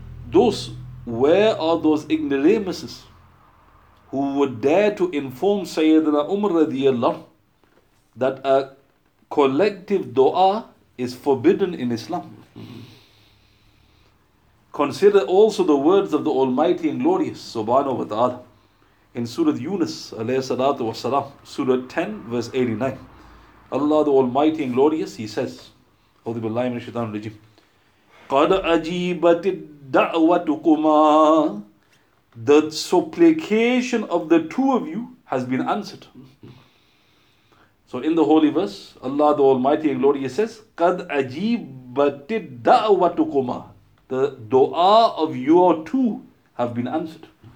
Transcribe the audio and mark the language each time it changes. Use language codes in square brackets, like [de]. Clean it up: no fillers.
[en] Those, where are those ignoramuses who would dare to inform Sayyidina Umar radiallahu that a collective dua is forbidden in Islam? Consider also the words of the Almighty and Glorious Subhanahu wa Ta'ala in Surah Yunus alayhi salatu wa salam, Surah 10 verse 89. Allah the Almighty and Glorious, he says, [ar] أعوذ بالله من الشيطان الرجيم قَدْ أَجِيبَتِ الدَّعْوَتُكُمَا. [en] The supplication of the two of you has been answered. So in the holy verse, Allah the Almighty and Glorious says, [ar] قَدْ أَجِيبَتِ الدَّعْوَتُكُمَا. [en] The dua of your two have been answered.